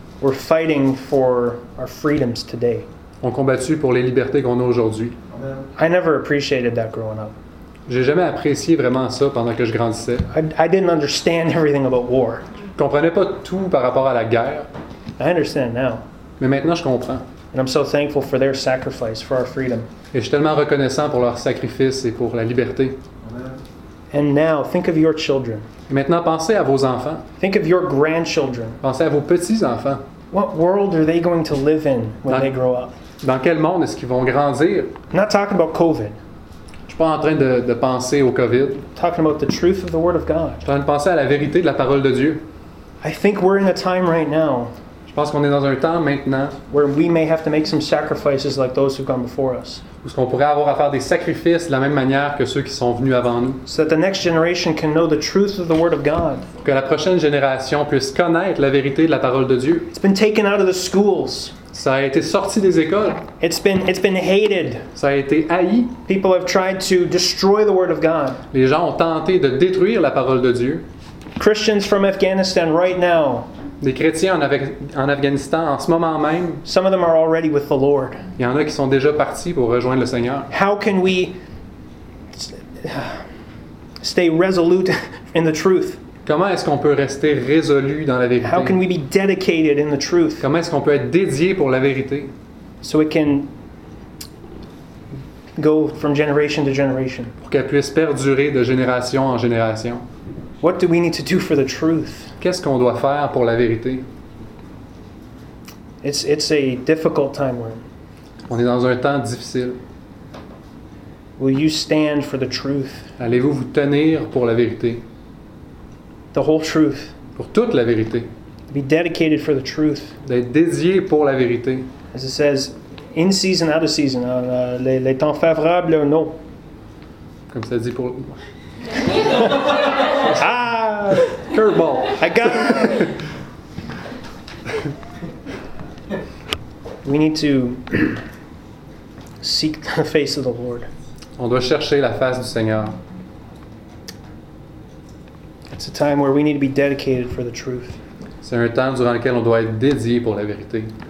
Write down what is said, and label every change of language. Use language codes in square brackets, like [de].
[en] We're fighting for our freedoms today. [fr] Ont combattu pour les libertés qu'on a aujourd'hui. [en] I never appreciated that growing up. [fr] J'ai jamais apprécié vraiment ça pendant que je grandissais. [en] I didn't understand everything about war. [fr] Je comprenais pas tout par rapport à la guerre. [en] I understand now. [fr] Mais maintenant je comprends. [en] And I'm so thankful for their sacrifice for our freedom. [fr] Et je suis tellement reconnaissant pour leur sacrifice et pour la liberté. [en] And now, think of your children. [fr] Et maintenant, pensez à vos enfants. [en] Think of your grandchildren. [fr] Pensez à vos petits-enfants. [en] What world are they going to live in when they grow up? [fr] Dans quel monde est-ce qu'ils vont grandir? [en] I'm not talking about COVID. [fr] Je suis pas en train de penser au COVID. [en] I'm talking about the truth of the Word of God. [fr] Je suis en train de penser à la vérité de la parole de Dieu. [en] I think we're in a time right now. [fr] Je pense qu'on est dans un temps maintenant. [en] Where we may have to make some sacrifices like those who've gone before us. [fr] Où on pourrait avoir à faire des sacrifices de la même manière que ceux qui sont venus avant nous. [en] So that the next generation can know the truth of the Word of God. [fr] Pour que la prochaine génération puisse connaître la vérité de la parole de Dieu. [en] It's been taken out of the schools. [fr] Ça a été sorti des écoles. [en] It's been hated. [fr] Ça a été haï. [en] People have tried to destroy the Word of God. [fr] Les gens ont tenté de détruire la parole de Dieu. [en] Christians from Afghanistan right now. [fr] Des chrétiens en Afghanistan en ce moment même. [en] Some of them are already with the Lord. [fr] Il y en a qui sont déjà partis pour rejoindre le Seigneur. [en] How can we stay resolute in the truth? [fr] Comment est-ce qu'on peut rester résolu dans la vérité? [en] How can we be dedicated in the truth? [fr] Comment est-ce qu'on peut être dédié pour la vérité? [en] So it can go from generation to generation. [fr] Pour qu'elle puisse perdurer de génération en génération. [en] What do we need to do for the truth? [fr] Qu'est-ce qu'on doit faire pour la vérité? [en] It's a difficult time when. [fr] On est dans un temps difficile. [en] Will you stand for the truth? [fr] Allez-vous vous tenir pour la vérité? [en] The whole truth. [fr] Pour toute la vérité. [en] Be dedicated for the truth. [fr] D'être dédié pour la vérité. [en] As it says, in season, out of season. [fr] Les temps favorables ou non. Comme ça dit pour... Ah! [en] Curveball. I got it. We need to seek the face of the Lord. [fr] On doit chercher la face du Seigneur. [en] It's a time where we need to be dedicated for the truth. [fr] C'est un temps durant lequel on doit être dédié pour la vérité.